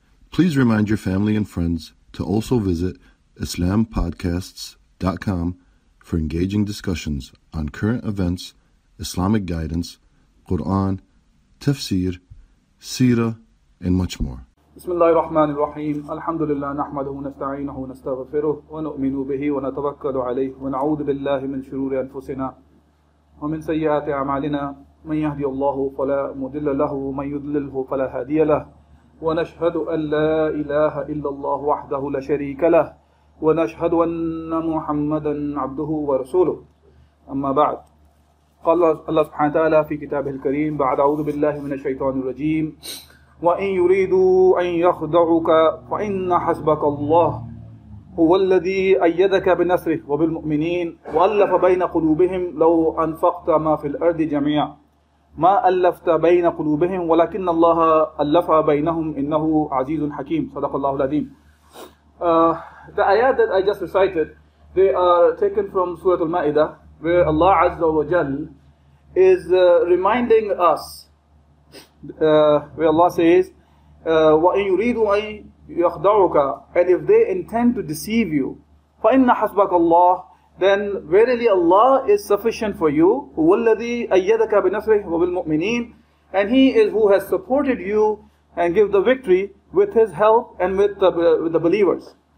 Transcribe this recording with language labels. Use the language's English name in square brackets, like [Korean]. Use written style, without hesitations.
[English] Please remind your family and friends to also visit IslamPodcasts.com for engaging discussions on current events, Islamic guidance, Quran, tafsir, seerah, and much more. [Arabic] بسم الله الرحمن الرحيم الحمد لله نحمده ونستعينه ونستغفره ونؤمن به ونتوكل عليه ونعوذ بالله من شرور أنفسنا ومن سيئات أعمالنا من يهدي الله فلا مضل له ومن يضلله فلا هادي له ونشهد أن لا إله إلا الله وحده لا شريك له ونشهد أن محمدا عبده ورسوله أما بعد قال الله سبحانه وتعالى في كتابه الكريم بعد أعوذ بالله من الشيطان الرجيم وَإِنْ يُرِيدُوا أَنْ يَخْدَعُكَ فَإِنَّ حَسْبَكَ اللَّهُ هُوَ الَّذِي أَيَّدَكَ بِنَصْرِهِ وَبِالْمُؤْمِنِينَ وَأَلَّفَ بَيْنَ قُلُوبِهِمْ لَوْ أَنْفَقْتَ مَا فِي الْأَرْضِ جَمِيعًا مَا أَلَّفْتَ بَيْنَ قُلُوبِهِمْ وَلَكِنَّ اللَّهَ أَلَّفَ بَيْنَهُمْ إِنَّهُ عَزِيزٌ حَكِيمٌ صدق الله العظيم. [English] The ayat that I just recited, they are taken from Surah Al-Ma'idah, where Allah Azza wa Jal is reminding us. Where Allah says, [Arabic] وَإِنْ يُرِيدُوا أَنْ يَخْدَعُكَ, [English] and if they intend to deceive you, [Arabic] فَإِنَّ حَسْبَكَ اللَّهِ, [English] then verily Allah is sufficient for you, [Arabic] هُوَ الَّذِي أَيَّدَكَ بِنَصْرِهِ وَبِالْمُؤْمِنِينَ, [English] and He is who has supported you and give the victory with His help and with the believers.